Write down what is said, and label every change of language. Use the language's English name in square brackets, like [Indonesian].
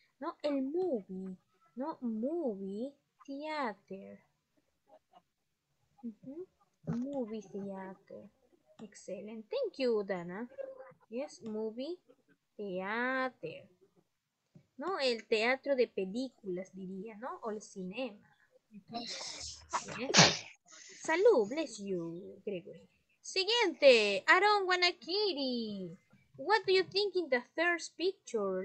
[Spanish] ¿No? El [English] movie, ¿no? Movie. Theater. Uh-huh. Movie theater. Excellent. Thank you, Dana. Yes, movie theater. [Spanish] No, el teatro de películas, diría, ¿no? O el cinema. Uh-huh. [English] Yes. [Spanish] Salud, [English] bless you, Gregory. [Spanish] Siguiente, Aaron Wanakiri. [English] What do you think in the third picture?